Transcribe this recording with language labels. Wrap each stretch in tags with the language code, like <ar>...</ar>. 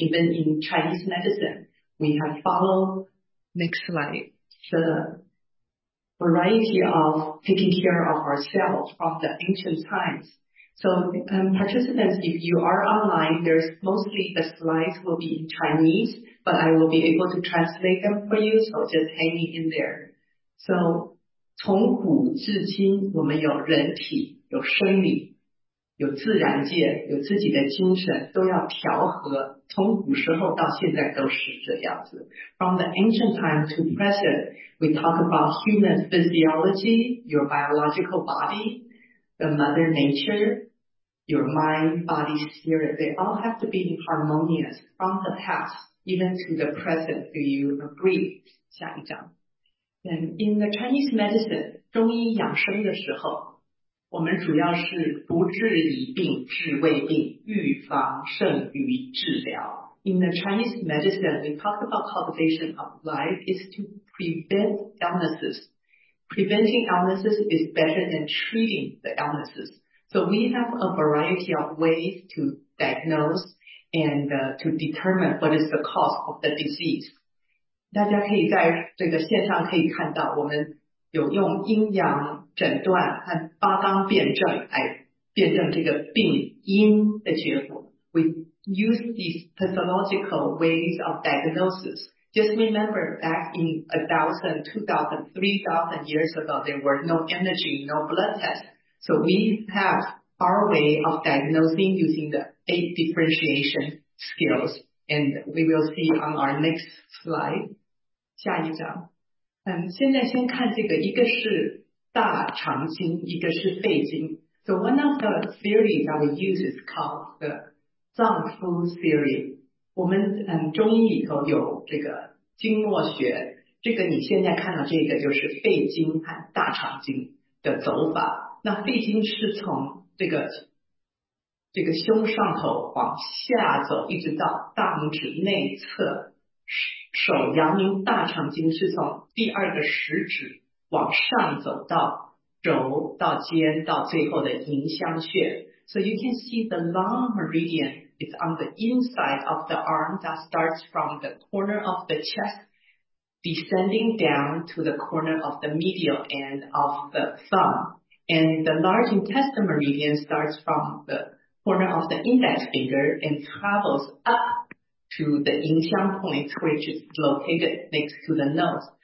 <en>Even in Chinese medicine, we have followed, next slide, the variety of taking care of ourselves from the ancient times. So, participants, if you are online, there's mostly the slides will be in Chinese, but I will be able to translate them for you, so just hang in there.</en> <zh>So, 从古至 今， 我们有人 体， 有生 理， 有自然 界， 有自己的精 神， 都要调和。从古时候到现在都是这样子。</zh> <en>From the ancient time to present, we talk about human physiology, your biological body, the mother nature, your mind, body, spirit. They all have to be harmonious from the past even to the present. Do you agree?</en> <zh>下一章。</zh> <en>In the Chinese medicine,</en> <zh>中医养生的时 候， 我们主要是不治已病治未 病， 预防胜于治疗。</zh> <en>In the Chinese medicine, we talk about cultivation of life is to prevent illnesses. Preventing illnesses is better than treating the illnesses. So we have a variety of ways to diagnose and to determine what is the cause of the disease.</en> <zh>大家可以在这个线上可以看 到， 我们有用阴阳诊断和八纲辩证来辨证这个病因的结果。</zh> <en>We use these pathological ways of diagnosis. Just remember back in 1,000, 2,000, 3,000 years ago, there were no imaging, no blood tests. So we have our way of diagnosing using the eight differentiation skills, and we will see on our next slide.</en> <zh>下一章。现在先看这 个， 一个是大肠经，一个是肺经。</zh> <en>So one of the theories that we use is called the 脏腑 theory.</en> <zh>我们中医里头有这个经络 学， 这个你现在看到这个就是肺经和大肠经的走法。那肺经是从这个胸上头往下 走， 一直到大拇指内侧手阳明。大肠经是从第二个食指往上走到肘到肩到最后的迎香穴。</zh> <en>So you can see the long meridian is on the inside of the arm that starts from the corner of the chest, descending down to the corner of the medial end of the thumb. And the large intestinal meridian starts from the corner of the index finger and travels up to the 迎香 point, which is located next to the nose.</en>